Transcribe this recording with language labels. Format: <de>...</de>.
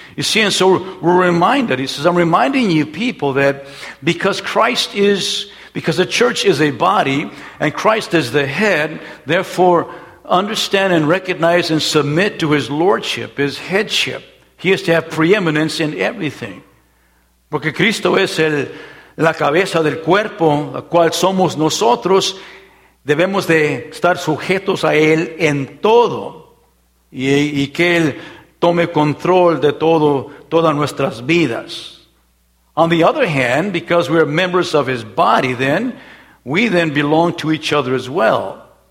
<en>You see, and so we're reminded. He says, I'm reminding you people that because the church is a body and Christ is the head, therefore understand and recognize and submit to his lordship, his headship. He has to have preeminence in everything.</en> <es>Porque Cristo es la cabeza del cuerpo, la cual somos nosotros. Debemos de estar sujetos a él en todo. Y que él tome control de todo, todas nuestras vidas.</es> <en>On the other hand, because we are members of his body, then we then belong to each other as well.</en>